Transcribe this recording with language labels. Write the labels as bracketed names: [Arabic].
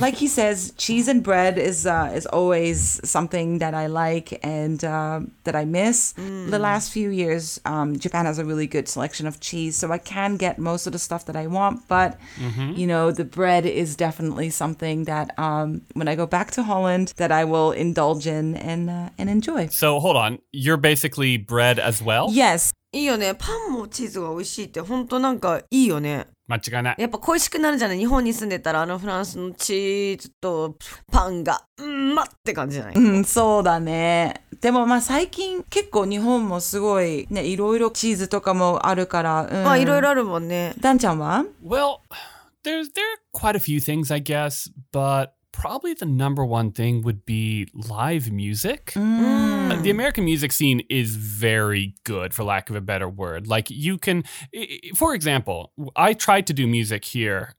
[English] Like he says, cheese and bread is always something that I like and that I miss. Mm. The last few years, Japan has a really good selection of cheese, so I can get most of the stuff that I want. But, mm-hmm. you know, the bread is definitely something that when I go back to Holland, that I will indulge in and enjoy. So hold on, you're basically bread as well? Yes. [Japanese] いいよね。パンもチーズが美味しいって本当なんかいいよね。間違いない。やっぱ恋しくなるじゃない。日本に住んでたらあのフランスのチーズとパンがうまって感じじゃない。うん、そうだね。でもまあ最近結構日本もすごいね、いろいろチーズとかもあるから。うん、まあいろいろあるもんね。ダンちゃんは [English] ？Well, there are quite a few things I guess, but probably the number one thing would be live music. Mm. The American music scene is very good, for lack of a better word. Like you can, for example, I tried to do music here.